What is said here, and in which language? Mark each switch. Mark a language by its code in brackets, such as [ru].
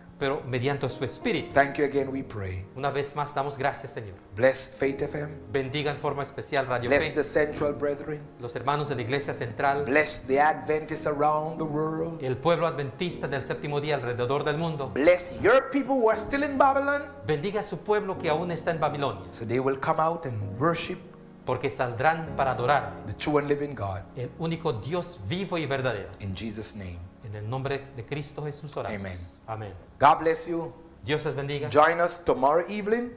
[es] Pero mediante su espíritu. [en] Thank you again, we pray. [es] Una vez más damos gracias, Señor. [en] Bless Faith FM. [es] Bendiga en forma especial Radio [en] Bless [es] Fe. [en] Bless the central brethren. [es] Los hermanos de la iglesia central. [en] Bless the Adventists around the world. [es] El pueblo adventista del séptimo día alrededor del mundo. [en] Bless your people who are still in Babylon. [es] Bendiga a su pueblo que aún está en Babilonia. [en] So they will come out and worship. [es] Porque saldrán para adorar [en] the true and living God. [es] El único Dios vivo y verdadero. [en] In Jesus name. [es] En el nombre de Cristo Jesús oramos. [en] Amen. [es] Amén. [en] God bless you. [es] Dios les bendiga. [en] Join us tomorrow evening.